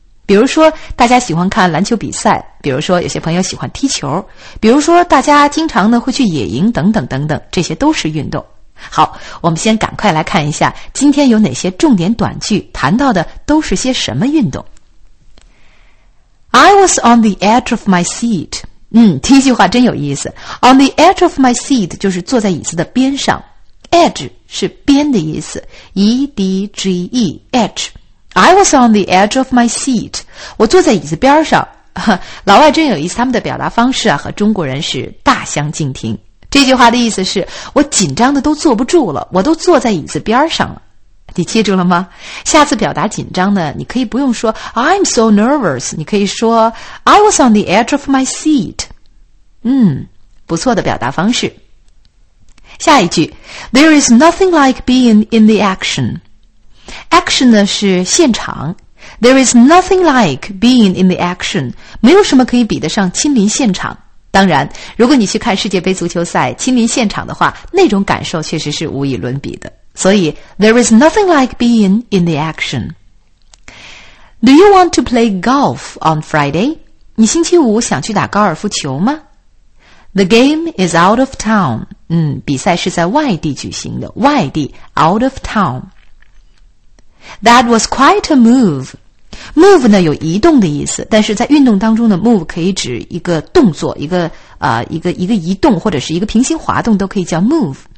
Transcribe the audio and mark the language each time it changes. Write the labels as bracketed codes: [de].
[zh] 比如说大家喜欢看篮球比赛，比如说有些朋友喜欢踢球，比如说大家经常呢会去野营等等等等，这些都是运动。好，我们先赶快来看一下今天有哪些重点短句，谈到的都是些什么运动。 [en] I was on the edge of my seat。 [zh] 第一句话真有意思， on the edge of my seat 就是坐在椅子的边上， edge 是边的意思， E-D-G-E edge。 [en] I was on the edge of my seat. [zh] 我坐在椅子边上。老外真有意思，他们的表达方式啊和中国人是大相径庭。这句话的意思是，我紧张的都坐不住了，我都坐在椅子边上了。你记住了吗？下次表达紧张呢，你可以不用说 [en] I'm so nervous, [zh] 你可以说 [en] I was on the edge of my seat. [zh] 不错的表达方式。下一句， [en] There is nothing like being in the action. [zh] Action 呢是现场， [en] There is nothing like being in the action， [zh] 没有什么可以比得上亲临现场。当然如果你去看世界杯足球赛，亲临现场的话，那种感受确实是无与伦比的。所以 [en] There is nothing like being in the action。 Do you want to play golf on Friday? [zh] 你星期五想去打高尔夫球吗？ [en] The game is out of town。 [zh] 比赛是在外地举行的，外地 [en] out of townThat was quite a move. [zh] Move 呢有移动的意思，但是在运动当中呢 ，move 可以指一个动作，一个移动或者是一个平行滑动都可以叫 move.